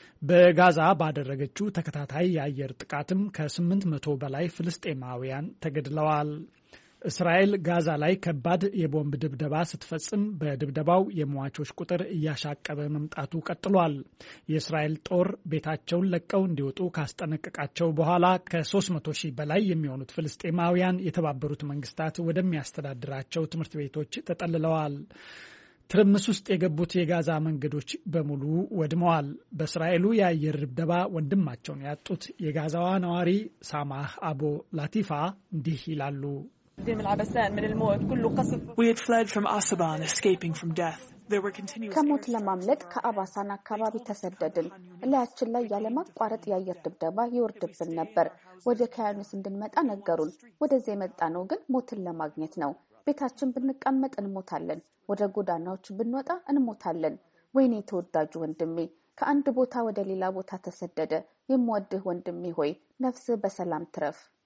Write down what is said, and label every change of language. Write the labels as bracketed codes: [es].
[am] በጋዛ ባደረገችው ተከታታይ የአየር ጥቃትም ከ800 በላይ ፍልስጤማውያን ተገድለዋል። እስራኤል ጋዛ ላይ ከባድ የቦምብ ድብደባ ስትፈጽም በድብደባው የሟቾች ቁጥር እያሻቀበ መምጣቱ ቀጥሏል። የእስራኤል ጦር ቤታቸውን ለቀው እንዲወጡ ካስጠነቀቃቸው በኋላ ከ300,000 በላይ የሚሆኑት ፍልስጤማውያን የተባበሩት መንግስታት ወደሚያስተዳድራቸው ትምህርት ቤቶች ተጠልለዋል። ትርምስ ውስጥ የገቡት የጋዛ መንገዶች በሙሉ ወድመዋል። በእስራኤሉ የአየር ድብደባ ወንድማቸውን ያጡት የጋዛዋ ነዋሪ ሳማህ አቦ ላቲፋ እንዲህ ይላሉ። [en] We had fled from Asaban, escaping from death. [am] ከሞት ለማምለጥ ከአባሳን አካባቢ ተሰደድን። እላያችን ላይ ያለማቋረጥ የአየር ድብደባ ይወርድብን ነበር። ወደ ካያኑስ እንድንመጣ ነገሩን። ወደዚያ የመጣነው ግን ሞትን ለማግኘት ነው። ቤታችን ብንቀመጥ እንሞታለን። ወደ ጎዳናዎች ብንወጣ እንሞታለን። ወይኔ ተወዳጁ ወንድሜ፣ ከአንድ ቦታ ወደ ሌላ ቦታ ተሰደደ። የምወድህ ወንድሜ ሆይ ነፍስህ በሰላም ትረፍ።